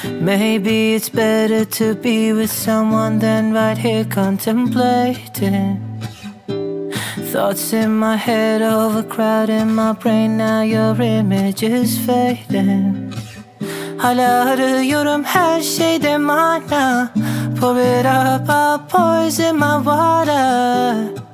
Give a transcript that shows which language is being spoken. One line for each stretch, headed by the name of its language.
English: Maybe it's better to be with someone than right here contemplating. Thoughts in my head overcrowding my brain, now your image is fading.
Turkish: Hala arıyorum her şeyde mana.
English: Pour it up, I'll poison my water.